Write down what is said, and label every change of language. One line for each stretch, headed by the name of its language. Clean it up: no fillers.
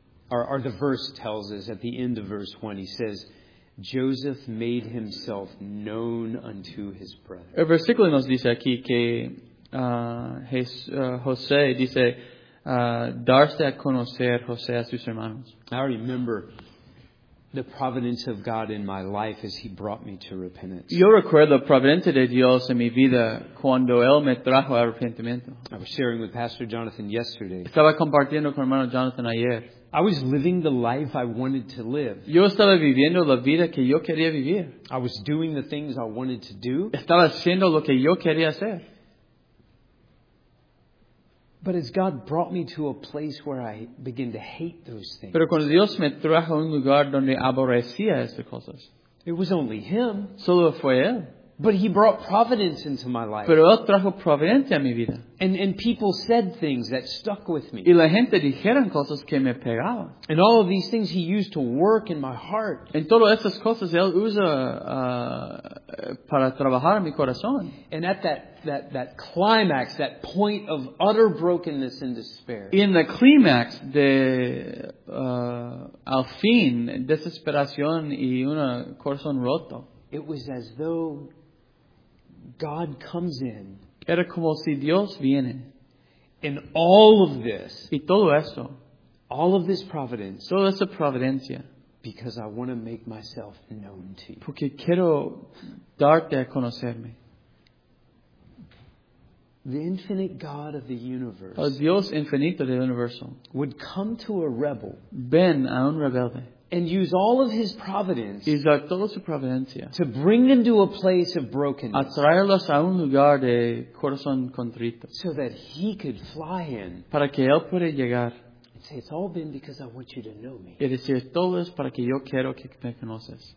English: Or the verse tells us at the end of verse 1. He says, Joseph made himself known unto his brothers.
Spanish: El versículo nos dice aquí que José dice, darse a conocer José a sus hermanos.
English: I remember the providence of God in my life as he brought me to repentance.
Spanish: Yo recuerdo la providencia de Dios en mi vida cuando él me trajo a arrepentimiento.
English: I was sharing with Pastor Jonathan yesterday.
Spanish: Estaba compartiendo con hermano Jonathan ayer.
English: I was living the life I wanted to live.
Spanish: Yo estaba viviendo la vida que yo quería vivir.
English: I was doing the things I wanted to do.
Spanish: Estaba haciendo lo que yo quería hacer.
English: But as God brought me to a place where I began to hate those things.
Spanish: Pero cuando Dios me trajo a un lugar donde aborrecía esas cosas.
English: It was only him.
Spanish: Solo fue él.
English: But he brought providence into my life.
Spanish: Pero él trajo providencia a mi vida.
English: And people said things that stuck with me.
Spanish: Y la gente dijeron cosas que me pegaban.
English: And all of these things he used to work in my heart.
Spanish: En todas esas cosas él usa para trabajar en mi corazón.
English: And at that climax, that point of utter brokenness and despair. In the climax
Spanish: de al fin, desesperación y un corazón roto.
English: It was as though God comes in.
Spanish: Era como si Dios viene.
English: In all of this.
Spanish: Y todo esto.
English: All of this providence.
Spanish: Toda esa providencia.
English: Because I want to make myself known to you.
Spanish: Porque quiero darte a conocerme.
English: The infinite God of the universe.
Spanish: El Dios infinito del universo.
English: Would come to a rebel.
Spanish: Ven a un rebelde.
English: And use all of his providence
Spanish: y usar toda su providencia
English: to bring them to a place of brokenness,
Spanish: a traerlos a un lugar de corazón contrito,
English: so that he could fly in,
Spanish: para que él pueda llegar,
English: and say, it's all been because I want you to know me.
Spanish: Y decir, todo es para que yo quiero que me conoces.